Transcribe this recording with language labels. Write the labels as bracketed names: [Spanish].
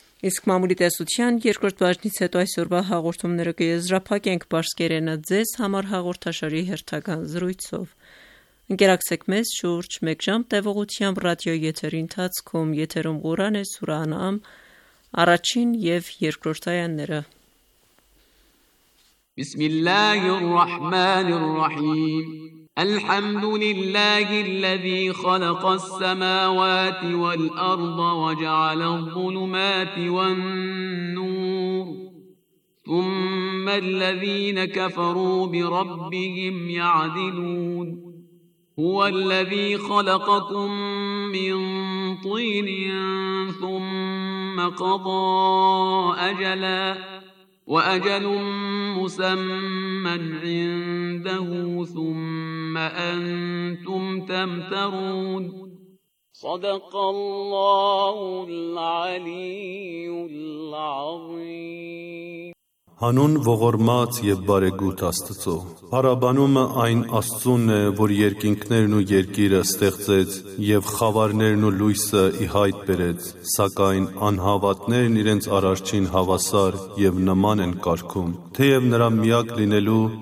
[Armenian] Իսկ մամուլի տեսության երկրորդ բաժնից հետո այսօրվա հաղորդումները կեզրափակենք պարսկերենը ձեզ համար հաղորդաշարի հերթական զրույցով։ Ընկերակցեք մեզ շուրջ 1 ժամ տևողությամբ ռադիո եթերի ընթացքում, եթերում Ղուրան է Սուրանամ, առաջին և երկրորդ հայանները։ [Arabic] بسم الله الرحمن الرحيم الحمد لله الذي خلق السماوات والأرض وجعل الظلمات والنور ثم الذين كفروا بربهم يعدلون هو الذي خلقكم من طين ثم قضى أجلا وأجل مسمى عنده ثم أنتم تمترون صدق الله العلي العظيم [Armenian] Հանուն ողորմած եւ բարեգութ Աստծո, հարաբանումը այն Աստծուն է, որ երկինքներն ու երկիրը ստեղծեց եւ խավարներն ու լույսը ի հայտ բերեց, սակայն անհավատներն իրենց առարջին հավասար եւ նման են կարգում, թեև նրա միակ լինելու